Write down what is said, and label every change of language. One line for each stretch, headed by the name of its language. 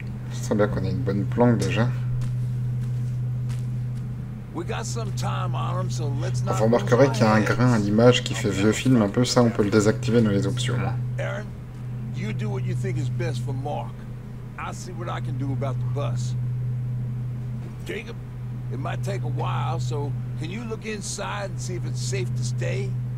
French: Je sens bien qu'on a une bonne planque déjà.
English: We got some time on them, so let's not.
French: Vous remarquerez qu'il y a un grain à l'image qui fait vieux film un peu. Ça, on peut le désactiver dans les options.
English: Aaron? You do what you think is best for Mark. I'll see what I can do about the bus. Jacob, it might take a while, so can you look inside and see if it's safe to stay?